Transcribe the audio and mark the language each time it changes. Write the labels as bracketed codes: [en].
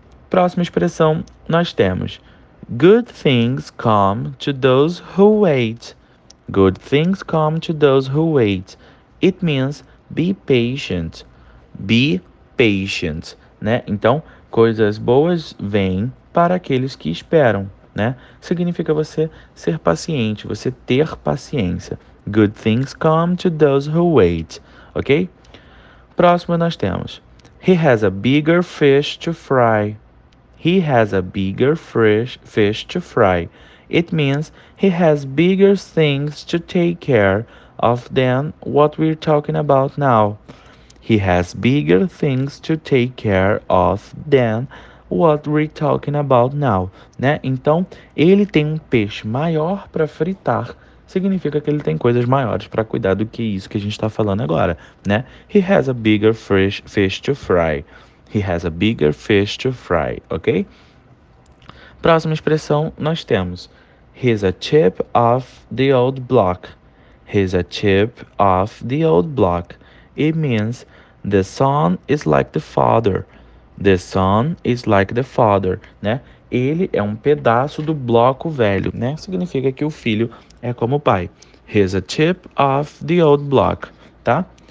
[pt] Próxima expressão, nós temos: [en] Good things come to those who wait. Good things come to those who wait. It means be patient. Be patient, né? [pt] Então, coisas boas vêm para aqueles que esperam, né? Significa você ser paciente, você ter paciência. [en] Good things come to those who wait, ok? [pt] Próximo nós temos: [en] He has a bigger fish to fry. He has a bigger fish to fry. It means he has bigger things to take care of than what we're talking about now. He has bigger things to take care of than what we're talking about now, né? [pt] Então, ele tem um peixe maior para fritar. Significa que ele tem coisas maiores para cuidar do que isso que a gente está falando agora, né? [en] He has a bigger fish to fry. He has a bigger fish to fry, ok? [pt] Próxima expressão nós temos: [en] He's a chip off the old block. He's a chip off the old block. It means the son is like the father. The son is like the father, né? [pt] Ele é um pedaço do bloco velho, né? Significa que o filho é como o pai. [en] He's a chip off the old block, tá?